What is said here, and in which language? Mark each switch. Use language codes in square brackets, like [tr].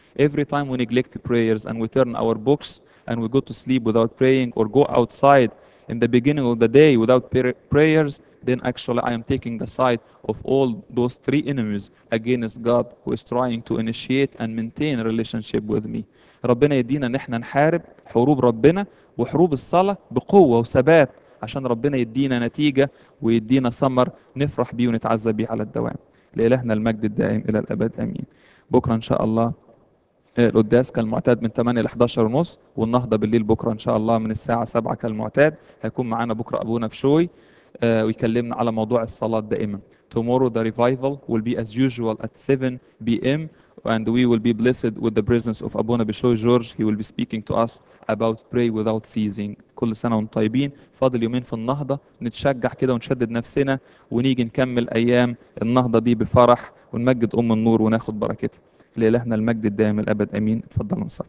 [en] Every time we neglect prayers and we turn our books and we go to sleep without praying or go outside in the beginning of the day without prayers, then actually I am taking the side of all those three enemies against God who is trying to initiate and maintain a relationship with me. [ar] ربنا يدينا ان احنا نحارب حروب ربنا وحروب الصلاة بقوة وثبات عشان ربنا يدينا نتيجة ويدينا ثمر نفرح بيه ونتعزى بيه على الدوام. لإلهنا المجد الدائم إلى الأبد أمين. بكرة إن شاء الله القداس كالمعتاد من 8 ل 11:30 والنهضة بالليل بكرة إن شاء الله من الساعة 7 كالمعتاد. هيكون معنا بكرة أبونا فشوي ويكلمنا على موضوع الصلاة دائما. [en] Tomorrow the revival will be as usual at 7 p.m. and we will be blessed with the presence of Abuna Bishoy George. He will be speaking to us about pray without ceasing. [ar] كل سنة وانتم طيبين. فاضل يومين في النهضة نتشجع كده ونشدد نفسنا ونيجي نكمل أيام النهضة دي بفرح ونمجد أم النور وناخد بركتها. لإلهنا المجد الدائم الأبد أمين. اتفضلوا نصلي.